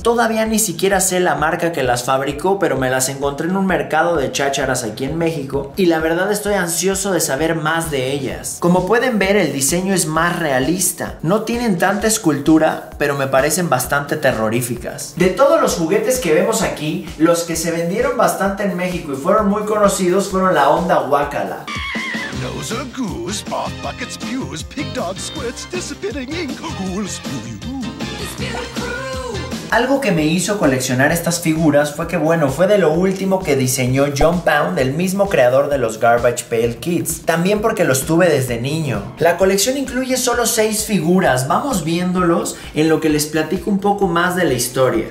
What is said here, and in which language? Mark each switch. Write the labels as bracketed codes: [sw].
[es] Todavía ni siquiera sé la marca que las fabricó, pero me las encontré en un mercado de chácharas aquí en México y la verdad estoy ansioso de saber más de ellas. Como pueden ver, el diseño es más realista. No tienen tanta escultura, pero me parecen bastante terroríficas. De todos los juguetes que vemos aquí, los que se vendieron bastante en México y fueron muy conocidos fueron la onda Wakala. [en] Nose of goose, pop buckets, pews, pig dog squirts, dissipating ink, who'll spew you? [es] Algo que me hizo coleccionar estas figuras fue que, bueno, fue de lo último que diseñó John Pound, el mismo creador de los Garbage Pail Kids. También porque los tuve desde niño. La colección incluye solo 6 figuras. Vamos viéndolos en lo que les platico un poco más de la historia.